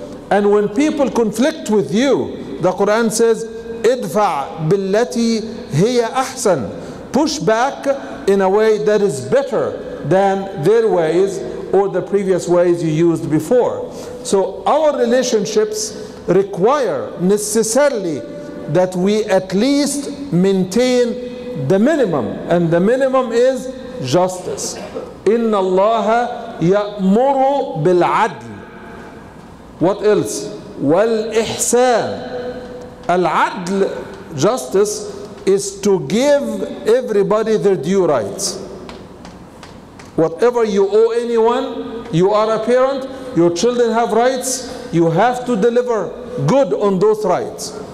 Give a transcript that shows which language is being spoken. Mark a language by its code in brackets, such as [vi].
[en] And when people conflict with you, the Quran says, [ar] ادفع بالتي هي أحسن [en] Push back in a way that is better than their ways or the previous ways you used before. So our relationships require necessarily that we at least maintain the minimum. And the minimum is justice. [ar] إن الله يأمر بالعدل [en] What else? [ar] والإحسان العدل, [en] justice, is to give everybody their due rights. Whatever you owe anyone, you are a parent, your children have rights, you have to deliver good on those rights.